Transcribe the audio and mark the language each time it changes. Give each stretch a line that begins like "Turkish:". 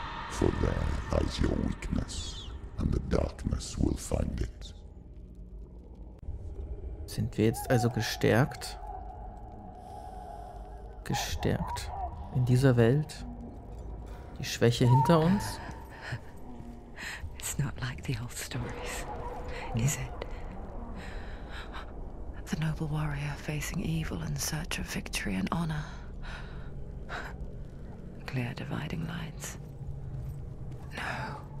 English: For there lies your weakness, and the darkness will find it.
German: Sind wir jetzt also gestärkt? Gestärkt in dieser Welt? Die Schwäche hinter uns?
English: It's not like the old stories, is it? The noble warrior facing evil in search of victory and honor. Clear dividing lines. No.